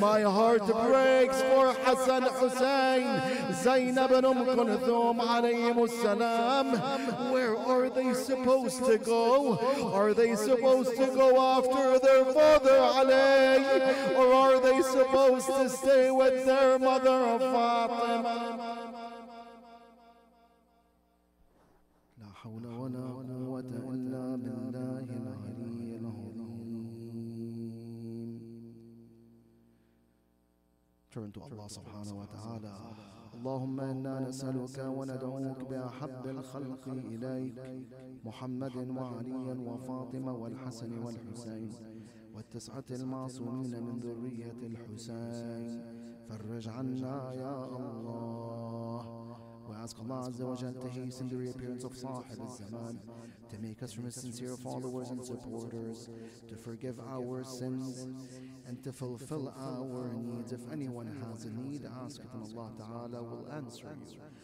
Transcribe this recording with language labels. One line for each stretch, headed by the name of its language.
English: My heart breaks for Hassan Hussein, Zainab and Kulthum alayhim salam. Where are they supposed to go? Are they supposed to go after their father Ali? Or are they supposed to stay with their mother Fatima?
Arabic: حول ولا قوة إلا بالله العلي العظيم.
English: Turn to Allah subhanahu wa ta'ala.
Arabic: اللهم إنا نسألك وندعوك بأحب الخلق إليك محمد وعلي وفاطمة والحسن والحسين والتسعة المعصومين من ذرية الحسين. فرج عنا يا الله.
English: We ask Allah Azza wa Jalla to hasten the reappearance of Sahib al-Zaman, to make us from his sincere followers and supporters, to forgive our sins, and to fulfill our needs. If anyone has a need, ask them, Allah Ta'ala will answer you.